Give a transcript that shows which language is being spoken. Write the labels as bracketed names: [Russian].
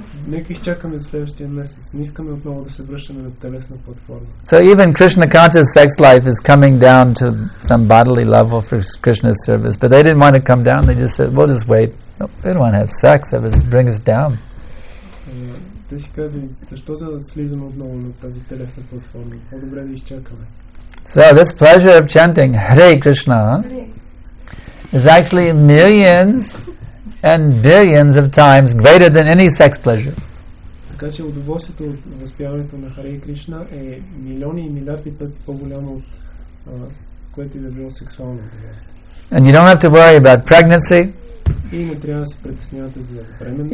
[Bulgarian] Нека изчакаме следващия месец. Не искаме отново да се връщаме на телесна платформа. [English] So even Krishna conscious sex life is coming down to some bodily level for Krishna's service. But they didn't want to come down. They just said, we'll just wait. No, they don't want to have sex. That would bring us down. [Bulgarian] Те си казали, защо да слизаме отново на тази телесна платформа? По-добре да изчакаме. [English] So this pleasure of chanting Hare Krishna is actually millions and billions of times greater than any sex pleasure. [Bulgarian] Така че удоволствието от възпяването на Харе Кришна е милиони и милиарди пъти по-голямо от което и да било сексуално удоволствие. [English] And you don't have to worry about pregnancy. [Bulgarian] И не трябва да се притеснявате за бременност.